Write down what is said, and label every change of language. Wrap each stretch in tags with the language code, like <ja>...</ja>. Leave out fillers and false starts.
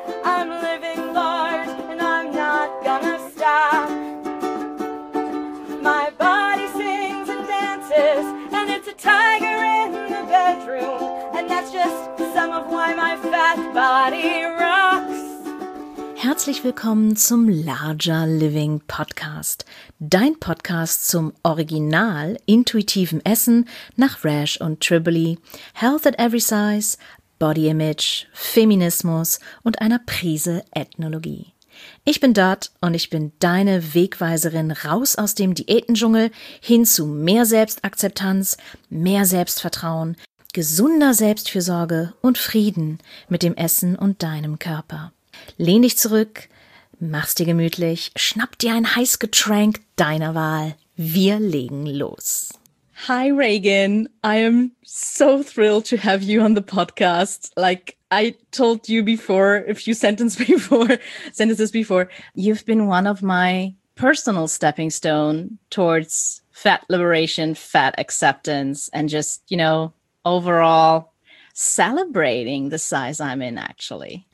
<en>I'm living large and I'm not gonna stop. My body sings and dances and it's a tiger in the bedroom. And that's just some of why my fat body rocks.</en> <de>Herzlich willkommen zum Larger Living Podcast, dein Podcast zum original intuitiven Essen nach Rash und Triboli, Health at Every Size, Body Image, Feminismus und einer Prise Ethnologie. Ich bin Dot und ich bin deine Wegweiserin raus aus dem Diätendschungel hin zu mehr Selbstakzeptanz, mehr Selbstvertrauen, gesunder Selbstfürsorge und Frieden mit dem Essen und deinem Körper. Lehn dich zurück, mach's dir gemütlich, schnapp dir ein Heißgetränk deiner Wahl. Wir legen los.</de> <en>Hi Reagan, I am so thrilled to have you on the podcast. Like I told you before, a few sentences before, you've been one of my personal stepping stone towards fat liberation, fat acceptance and just, you know, overall celebrating the size I'm in actually.</en>